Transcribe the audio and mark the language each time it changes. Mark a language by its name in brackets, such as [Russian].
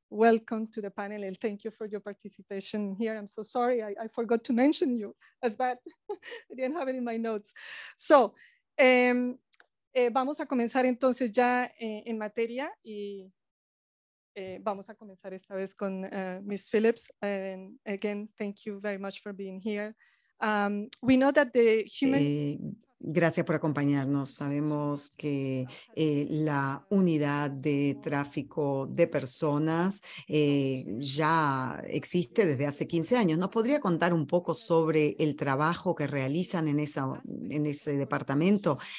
[English] Welcome to the panel and thank you for your participation here. I'm so sorry, I forgot to mention you as bad. I didn't have it in my notes. [Spanish] So, vamos a comenzar entonces ya en materia y vamos a comenzar esta vez con Ms. Phillips. [English] And again, thank you very much for being here. We know that the human. [Spanish] Gracias por acompañarnos. Sabemos que la unidad de tráfico de personas ya existe desde hace 15 años. ¿Nos podría contar un poco sobre el trabajo que realizan en ese departamento?